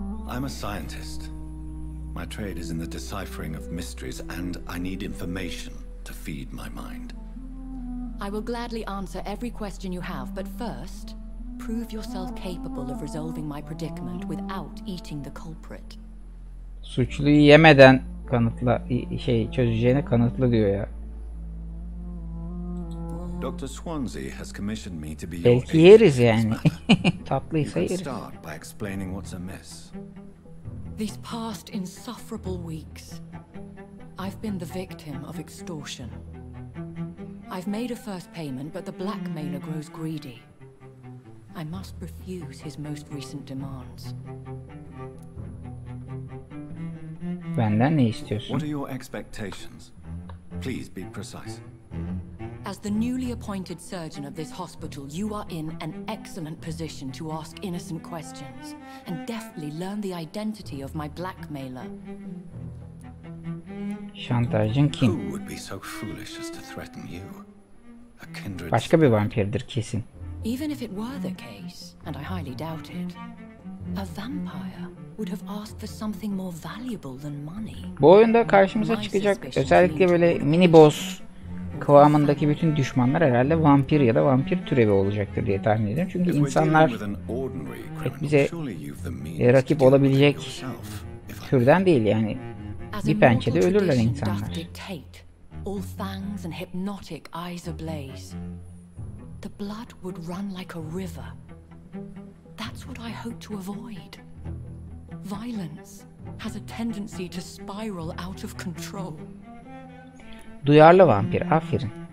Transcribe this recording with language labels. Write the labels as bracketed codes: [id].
[en] I'm a scientist. My trade is in the deciphering of mysteries, and I need information to feed my mind. I will gladly answer every question you have, but first, prove yourself capable of resolving my predicament without eating the culprit. [tr] Suçluyu yemeden kanıtla şey çözeceğini kanıtla diyor ya. [en] Dr. Swansea has commissioned me to be [tr] belki yeriz yani. Tatlıysa yeriz. [en] Start by explaining what's amiss. These past insufferable weeks, I've been the victim of extortion. I've made a first payment, but the blackmailer grows greedy. I must refuse his most recent demands. [tr] Benden ne istiyorsun? [en] What are your expectations? Please be precise. As the newly appointed surgeon of this hospital, you are in an excellent position to ask innocent questions and definitely learn the identity of my blackmailer. [tr] Şantajcın kim? [en] Who would be so foolish as to threaten you? A kindred. [tr] Başka bir vampirdir kesin. [en] Even if it were the case, and I highly doubt it, A vampire would have asked for something more valuable than money. [tr] Bu oyunda karşımıza çıkacak özellikle böyle mini boss kıvamındaki bütün düşmanlar herhalde vampir ya da vampir türevi olacaktır diye tahmin ediyorum. Çünkü insanlar hep bize rakip olabilecek türden değil yani. Bir pençede ölürler insanlar. [en] All fangs and hypnotic eyes ablaze. The blood would run like a river. That's what I hope to avoid. Violence has a tendency to spiral out of control. [tr] Duyarlı vampir, aferin.